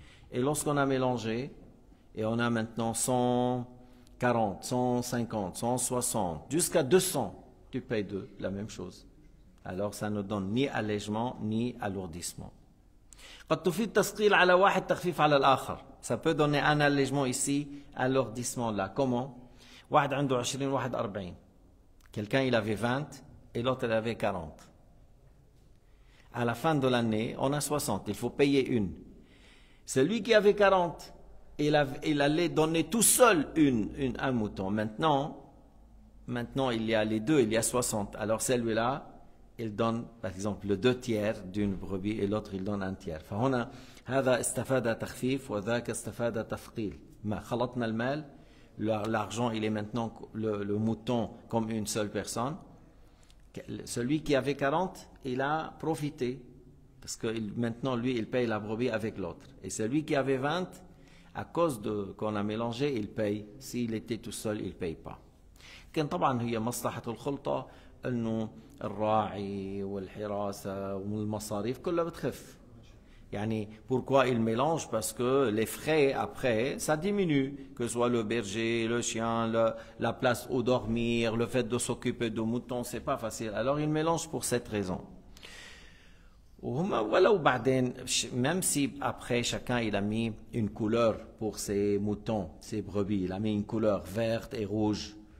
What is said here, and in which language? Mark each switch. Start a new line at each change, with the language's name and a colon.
French: Et lorsqu'on a mélangé, et on a maintenant 140, 150, 160, jusqu'à 200, tu payes deux. La même chose. Alors, ça ne donne ni allègement ni alourdissement.
Arabic: قد تفيد تثقيل على واحد تخفيف على الآخر.
French: Ça peut donner un allègement ici, un alourdissement là.
Arabic: Comment? واحد عنده 20 واحد 40.
French: Quelqu'un il avait 20 et l'autre il avait 40. À la fin de l'année, on a 60, il faut payer une. Celui qui avait 40, il allait donner tout seul un mouton. Maintenant, il y a les deux, il y a 60. Alors celui-là, il donne, par exemple, le deux tiers d'une brebis et l'autre, il donne un tiers.
Arabic: فهنا, هذا استفاد تخفيف وذاك استفاد تثقيل. ما خلطنا المال,
French: l'argent, il est maintenant le mouton comme une seule personne. Celui qui avait 40, il a profité. Parce que maintenant, lui, il paye la brebis avec l'autre. Et celui qui avait 20, à cause de qu'on a mélangé, il paye. S'il était tout seul, il ne paye pas.
Arabic: كان طبعا هي مصلحة الخلطة انه الراعي والحراسة والمصاريف كلها بتخف.
French: يعني pourquoi il mélange parce que les frais après ça diminue que soit le berger, le chien, la place où dormir, le fait de s'occuper de moutons, c'est pas facile. Alors il mélange pour cette raison.
Arabic: وهما ولو بعدين
French: même si après chacun il a mis une couleur pour ses moutons, ses brebis, il a mis une couleur verte et rouge.